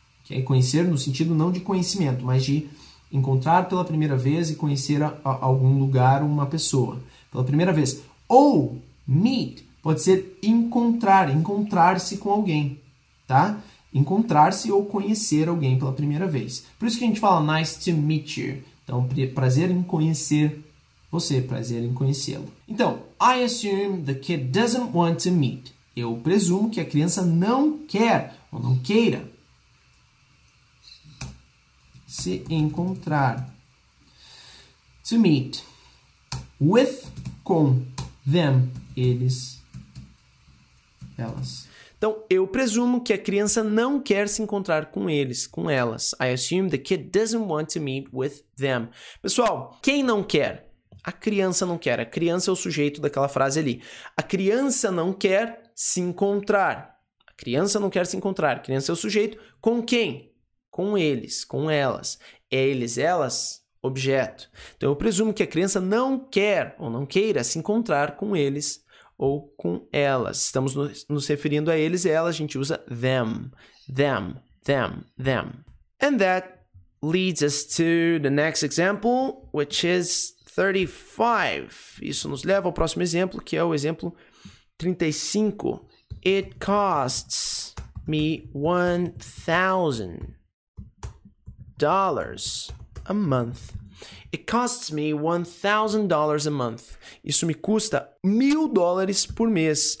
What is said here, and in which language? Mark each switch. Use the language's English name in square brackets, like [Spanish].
[Portuguese] Que é conhecer no sentido não de conhecimento, mas de encontrar pela primeira vez e conhecer algum lugar ou uma pessoa pela primeira vez. Ou meet pode ser encontrar, encontrar-se com alguém, tá? Encontrar-se ou conhecer alguém pela primeira vez. Por isso que a gente fala [English] nice to meet you. [Portuguese] Então, prazer em conhecer você, prazer em conhecê-lo. [English] Então, I assume the kid doesn't want to meet. [Portuguese] Eu presumo que a criança não quer ou não queira se encontrar, to meet, with, com, them, eles, elas. Então, eu presumo que a criança não quer se encontrar com eles, com elas. [English] I assume the kid doesn't want to meet with them. [Portuguese] Pessoal, quem não quer? A criança não quer. A criança é o sujeito daquela frase ali. A criança não quer se encontrar. A criança não quer se encontrar. A criança é o sujeito com quem? Com eles, com elas. Eles, elas, objeto. Então, eu presumo que a criança não quer ou não queira se encontrar com eles ou com elas. Estamos nos referindo a eles e elas, a gente usa them. [English] Them, them, them. And that leads us to the next example, which is 35. [Portuguese] Isso nos leva ao próximo exemplo, que é o exemplo 35. [English] It costs me $1,000 a month. It costs me $1,000 a month. [Portuguese] Isso me custa $1,000 por mês.